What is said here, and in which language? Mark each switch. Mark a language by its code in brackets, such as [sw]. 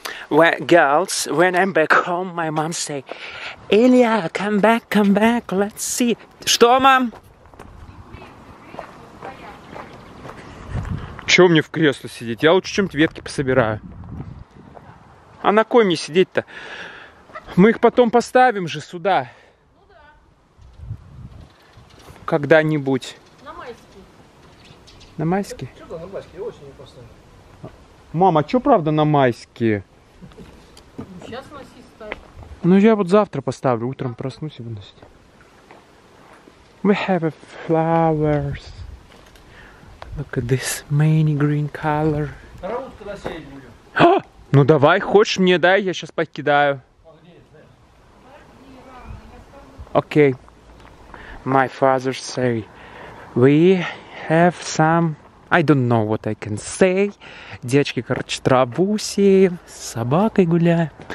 [en] Well, girls, when I'm back home, my mom say, Илья, come back, let's see. [ru] Что, мам? Чего мне в кресло сидеть? Я лучше чем-то ветки пособираю. А на кой мне сидеть-то? Мы их потом поставим же сюда. Ну да. Когда-нибудь. На майские? Что-то на майские, осень не поставили. Мама, а что правда на майские? Ну, сейчас носи ставь. Ну, я вот завтра поставлю, утром проснусь и выносить. [en] We have flowers. Look at this many green color. [ru] Траву тогда сеять будем. А! Ну, давай, хочешь мне, дай, я сейчас подкидаю. [en] Окей. My father say, we... Have some, I don't know what I can say. [ru] Девочки, короче, траву сеем, с собакой гуляем.